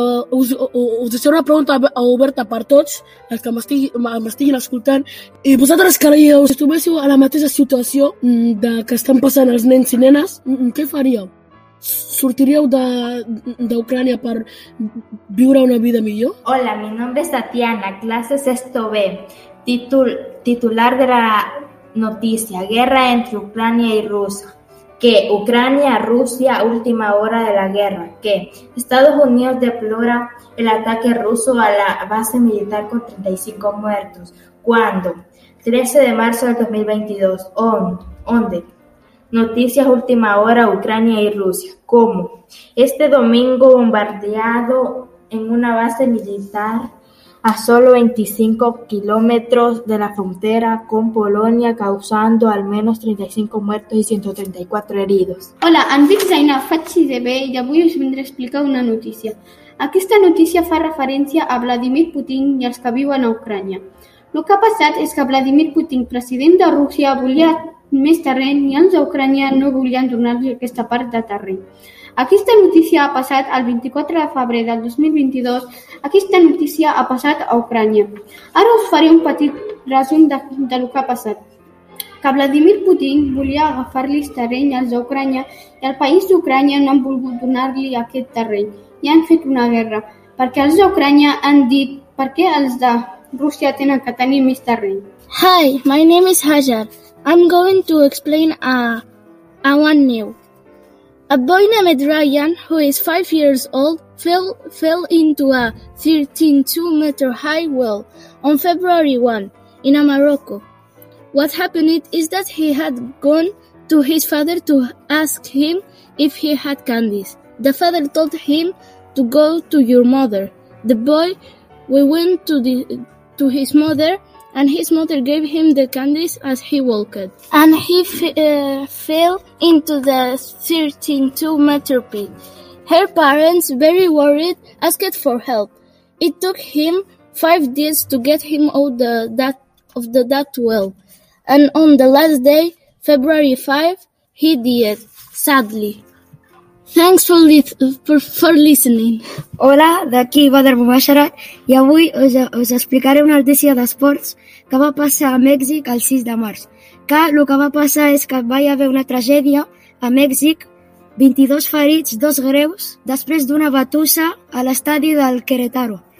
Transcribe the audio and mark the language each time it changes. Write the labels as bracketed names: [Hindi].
[Catalan] Us deixo una pregunta oberta per tots els que m'estiguin escoltant. I vosaltres, creieu, si estiguéssiu a la mateixa situació de que estan passant els nens i nenes, què faríeu? ¿Sortiríeu d'Ucrània per viure una vida millor? [Spanish] Hola, mi nombre es Tatiana, clase sexto B, titular de la noticia, guerra entre Ucrania y Rusia. Que Ucrania, Rusia, última hora de la guerra. Que Estados Unidos deplora el ataque ruso a la base militar con 35 muertos. ¿Cuándo? 13 de marzo del 2022. ¿Dónde? Noticias última hora, Ucrania y Rusia. ¿Cómo? Este domingo bombardeado en una base militar a solo 25 kilómetros de la frontera con Polonia, causando al menos 35 muertos y 134 heridos. [Catalan] Hola, em dic Zainab, faig CDB i avui us vindré a explicar una notícia. Aquesta notícia fa referència a Vladimir Putin i els que viuen a Ucrània. El que ha passat és que Vladimir Putin, president de Rússia, volia més terreny i els d'Ucrània no volien donar-li aquesta part de terreny. Aquesta notícia ha passat el 24 de febrer del 2022. Aquesta notícia ha passat a Ucrània. Ara us faré un petit resum de lo que ha passat. Que Vladimir Putin volia agafar-li terreny als d'Ucrània i el país d'Ucrània no han volgut donar-li aquest terreny. I han fet una guerra. Perquè els d'Ucrània han dit per què els de Rússia tenen que tenir més terreny. [English] Hi, my name is Hajar. I'm going to explain one new. A boy named Ryan, who is 5 years old, fell into a 13.2-meter high well on February 1 in Morocco. What happened is that he had gone to his father to ask him if he had candies. The father told him to go to your mother. The boy went to his mother, and his mother gave him the candies as he walked. And he fell into the 13.2-meter pit. Her parents, very worried, asked for help. It took him 5 days to get him out of that well. And on the last day, February 5, he died, sadly. Thanks for listening. [Catalan] Hola, d'aquí Badr Mubasharat, i avui us explicaré una notícia d'esports que va passar a Mèxic el 6 de març, explicar, el que va passar és que va haver una tragèdia a Mèxic, 22 ferits, 2 greus, després d'una batussa a l'estadi del Querétaro.